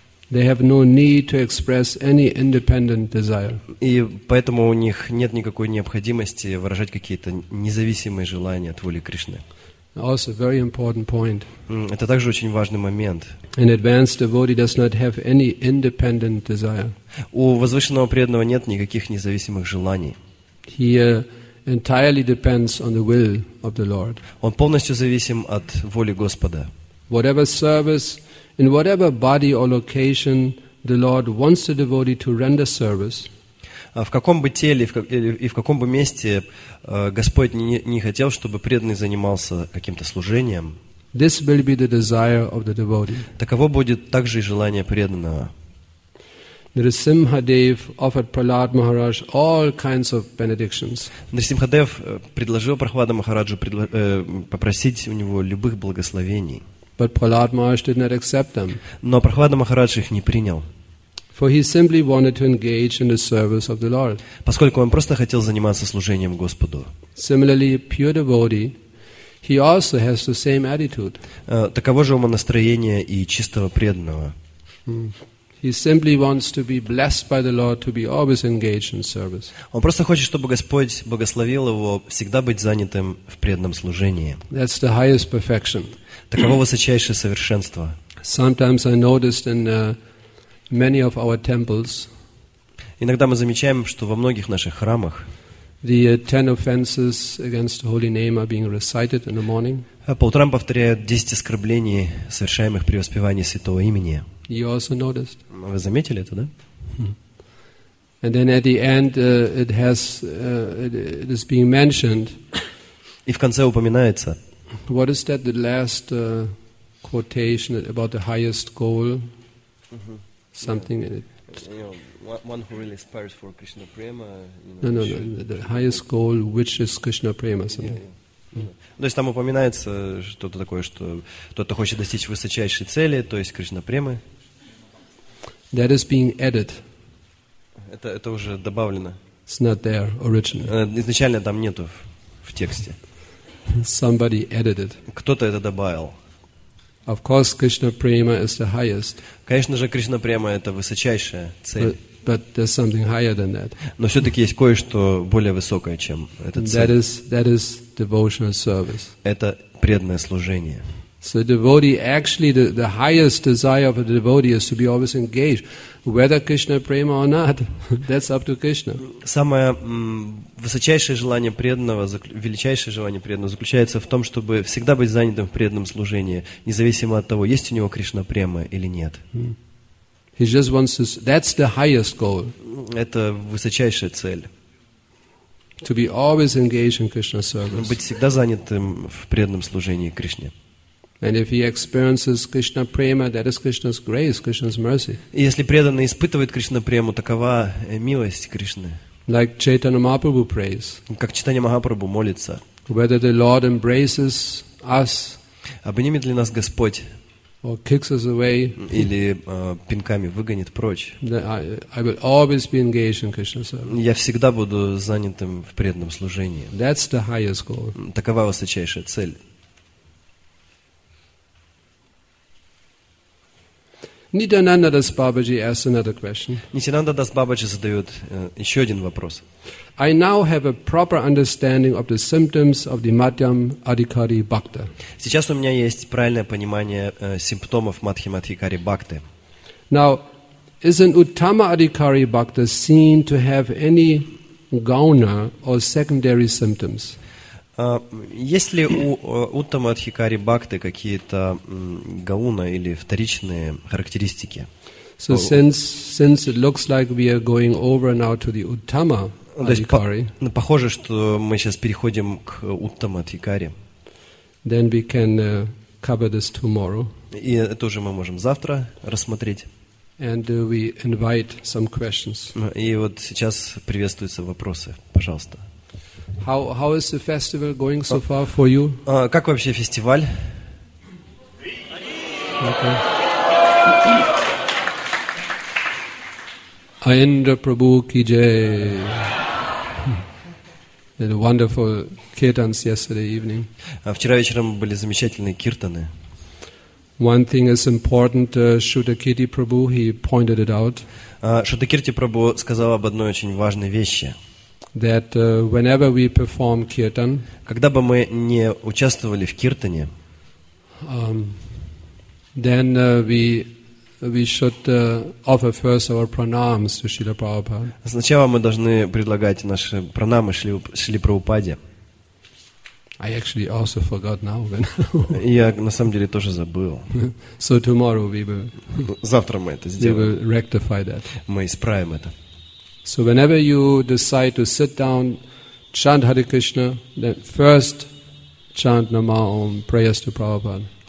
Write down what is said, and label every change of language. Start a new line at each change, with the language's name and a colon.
English: They have no need to express any independent desire.
Russian: И поэтому у них нет никакой необходимости выражать какие-то независимые желания от воли Кришны.
English: Also a very important point.
Russian: Это также очень важный момент.
English: An advanced devotee does not have any independent desire.
Russian: У возвышенного преданного нет никаких независимых желаний.
English: He entirely depends on the will of the Lord.
Russian: Он полностью зависим от воли Господа.
English: Whatever service, in whatever body or location, the Lord wants the devotee to render service.
Russian: В каком бы теле и в каком бы месте Господь не хотел, чтобы преданный занимался каким-то служением,
English: this will be the desire of the devotee.
Russian: Таково будет также и желание преданного.
English: Нарисимхадев offered Prahlad Maharaj all kinds of benedictions.
Russian: Нарисимхадев предложил Прахлада Махараджу попросить у него любых благословений.
English: But Prahlad Maharaj did not accept them.
Russian: Но Прахлада Махарадж их не принял.
English: For he simply wanted to engage in the service of the Lord.
Russian: Поскольку он просто хотел заниматься служением Господу.
English: Similarly, pure devotee, he also has the same attitude.
Russian: Таково же ума настроение и чистого преданного.
English: He simply wants to be blessed by the Lord to be always engaged in service.
Russian: Он просто хочет, чтобы Господь благословил его всегда быть занятым в преданном служении.
English: That's the highest perfection.
Russian: Таково высочайшее совершенство.
English: Sometimes I noticed in many of our temples.
Russian: Иногда мы замечаем, что во многих наших храмах
English: the 10 offenses against the holy name are being recited in the morning.
Russian: По утрам повторяют 10 оскорблений, совершаемых при воспевании святого имени.
English: You also noticed.
Russian: Вы заметили это, да?
English: And then at the end it is being mentioned.
Russian: И в конце упоминается.
English: What is that, the last quotation about the highest goal? Something in it. One who really aspires for Krishna prema. The highest goal, which is Krishna prema, something.
Russian: То есть там упоминается что-то такое, что кто-то хочет достичь высочайшей цели, то есть Кришна премы.
English: That is being added.
Russian: Это уже добавлено.
English: It's not there originally.
Russian: Изначально там нету в тексте.
English: Somebody added it.
Russian: Кто-то это добавил.
English: Of course, Krishna prema is the highest.
Russian: Конечно же, Кришна према это высочайшая цель.
English: But there's something higher than that.
Russian: Но все-таки есть кое-что более высокое, чем эта цель.
English: That is devotional service.
Russian: Это преданное служение.
English: So devotee actually the highest desire of a devotee is to be always engaged, whether Krishna prema or not. That's up to Krishna.
Russian: Самое высочайшее желание преданного, величайшее желание преданного заключается в том, чтобы всегда быть занятым в преданном служении, независимо от того, есть у него Кришна према или нет.
English: He just wants to. That's the highest goal.
Russian: Это высочайшая цель.
English: To be always engaged in Krishna service.
Russian: Быть всегда занятым в преданном служении Кришне.
English: And if he experiences Krishna prema, that is Krishna's grace, Krishna's mercy.
Russian: Если преданный испытывает Кришна прему, такова милость Кришны.
English: Like Chaitanya Mahaprabhu prays.
Russian: Как Чайтанья Махапрабху молится.
English: Whether the Lord embraces us.
Russian: Обнимет ли нас Господь?
English: Or kicks us away.
Russian: Или пинками выгонит прочь.
English: I will always be engaged in Krishna's service.
Russian: Я всегда буду занятым в преданном служении.
English: That's the highest goal.
Russian: Такова высочайшая цель.
English: Nityananda Das Babaji asks another question.
Russian: Nityananda Das Babaji задает еще один вопрос.
English: I now have a proper understanding of the symptoms of the Madhyam Adhikari Bhakta.
Russian: Сейчас у меня есть правильное понимание симптомов Мадхьям Адхикари Бхакты.
English: Now, is an Uttama Adhikari Bhakta seen to have any gauna or secondary symptoms?
Russian: Есть ли у Уттама Адхикари Бхакты какие-то гауна или вторичные характеристики?
English: So since it looks like we are going over now to the Uttama Adhikari,
Russian: похоже, что мы сейчас переходим к Уттама Адхикари.
English: Then we can cover this tomorrow.
Russian: И это уже мы можем завтра рассмотреть.
English: And we invite some questions.
Russian: И вот сейчас приветствуются вопросы, пожалуйста.
English: How is the festival going so far for you?
Russian: Как вообще фестиваль? Аинда Прабху ки джей.
English: The wonderful kirtans yesterday evening.
Russian: Вчера вечером были замечательные киртаны.
English: One thing is important, Shudakirti Prabhu, he pointed it out.
Russian: Шудакирти Прабху сказал об одной очень важной вещи.
English: That whenever we perform kirtan,
Russian: когда бы мы не участвовали в киртане,
English: then we should offer first our pranams to Srila Prabhupada.
Russian: Сначала мы должны предлагать наши пранамы Шриле Прабхупаде.
English: I actually also forgot now.
Russian: Я на самом деле тоже забыл.
English: So tomorrow we will.
Russian: Завтра мы это сделаем.
English: We will rectify that.
Russian: Мы исправим это.
English: So whenever you decide to sit down, chant Hare Krishna, then first chant Nama Om, prayers to Prabhupada.